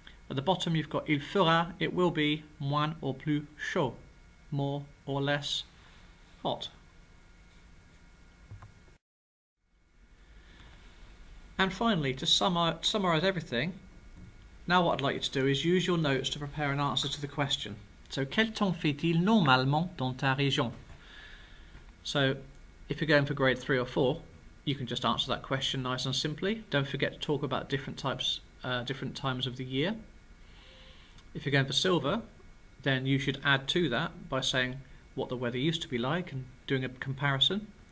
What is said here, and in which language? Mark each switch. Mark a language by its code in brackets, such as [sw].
[en] At the bottom, you've got [fr] il fera, [en] it will be [fr] moins [en] or plus chaud, more or less hot. And finally, to summarize everything, now what I'd like you to do is use your notes to prepare an answer to the question. [fr] So, quel temps fait-il normalement dans ta région? [en] So, if you're going for grade 3 or 4, you can just answer that question nice and simply. Don't forget to talk about different times of the year. If you're going for silver, then you should add to that by saying what the weather used to be like and doing a comparison.